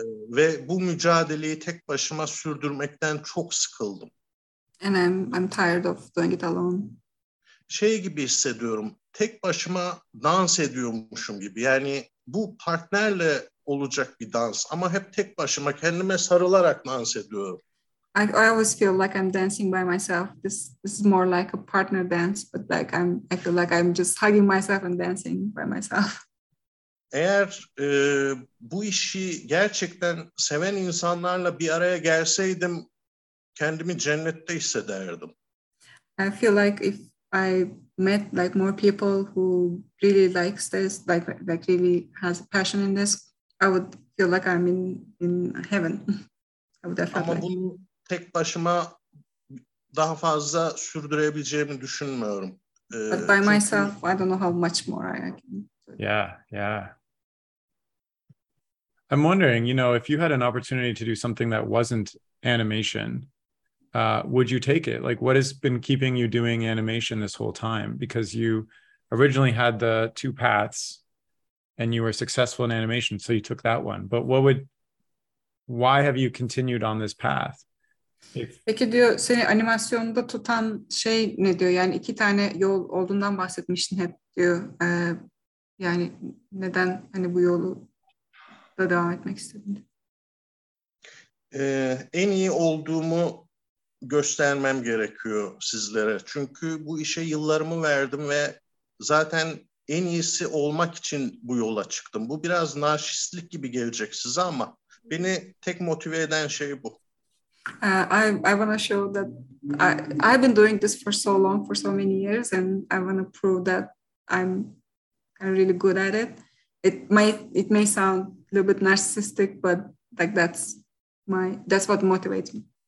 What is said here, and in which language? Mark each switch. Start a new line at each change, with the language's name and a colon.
Turkish: Ve bu mücadeleyi tek başıma sürdürmekten çok sıkıldım.
English: And I'm tired of doing it alone.
Turkish: Şey gibi hissediyorum, tek başıma dans ediyormuşum gibi. Yani bu partnerle olacak bir dans ama hep tek başıma kendime sarılarak dans ediyorum.
English: I always feel like I'm dancing by myself. This is more like a partner dance, but like I feel like I'm just hugging myself and dancing by myself.
Turkish: Eğer bu işi gerçekten seven insanlarla bir araya gelseydim, kendimi cennette hissederdim.
English: I feel like if I met like more people who really likes this, like really has a passion in this, I would feel like I'm in heaven. I would definitely.
Turkish: Ama bunu tek başıma daha fazla sürdürebileceğimi düşünmüyorum.
English: But by çünkü myself, I don't know how much more I can. Yeah. I'm wondering, you know, if you had an opportunity to do something that wasn't animation, would you take it? Like, what has been keeping you doing animation this whole time? Because you originally had the two paths and you were successful in animation, so you took that one. But why have you continued on this path?
Turkish: Peki diyor, seni animasyonda tutan şey ne diyor? Yani iki tane yol olduğundan bahsetmiştin hep diyor. Yani neden hani bu yolu da devam etmek istedin? En iyi olduğumu göstermem gerekiyor sizlere. Çünkü bu işe yıllarımı verdim ve zaten en iyisi olmak için bu yola çıktım. Bu biraz narsistlik gibi gelecek size ama beni tek motive eden şey bu.
English: I want to show that I've been doing this for so long, for so many years, and I want to prove that I'm really good at it. It may sound a little bit narcissistic, but like that's what motivates me.